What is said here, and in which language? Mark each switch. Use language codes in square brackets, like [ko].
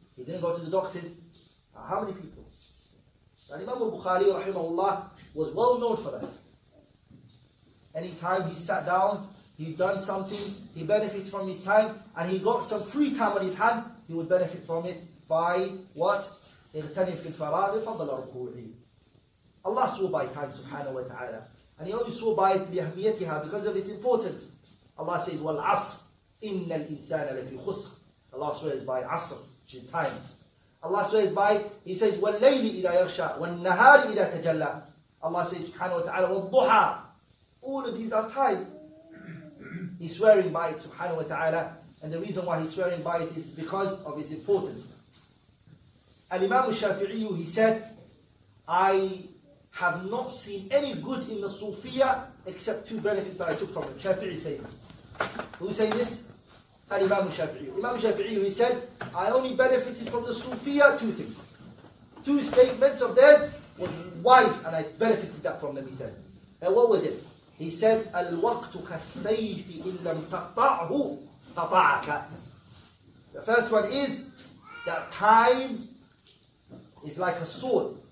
[en] He didn't go to the doctors. How many people? So Imam al-Bukhari rahimahullah was well known for that. Anytime he sat down, he done something, he benefited from his time, and he got some free time on his hand, he would benefit from it by what? [ar] اغتنم في الفراغ فضل ركوعي. [en] Allah saw by time, subhanahu wa ta'ala. And he only saw by it [ar] لأهميتها, [en] because of its importance. Allah says, [ar] والعصر إن الإنسان لفي خسر. [en] Allah swears by عصر. Which is time. Allah swears by, he says, [ar] وَاللَّيْلِ إِذَا يَغْشَىٰ وَالنَّهَارِ إِذَا تَجَلَّىٰ. [en] Allah says, subhanahu wa ta'ala, [ar] وَالضُّحَىٰ. [en] All of these are time. He's swearing by it, subhanahu wa ta'ala. And the reason why he's swearing by it is because of its importance. Al-Imam al-Shafi'i, he said, I have not seen any good in the Sufiyya except two benefits that I took from it. Shafi'i says. Who says this? Imam Shafi'i. Imam Shafi'i, he said, I only benefited from the Sufiyya two things. Two statements of theirs was wise, and I benefited that from them, he said. And what was it? He said, [ar] الْوَقْتُ كَالسَّيْفِ إِنْ لَمْ تَقْطَعْهُ قَطَعَكَ. [en] The first one is that time is like a sword.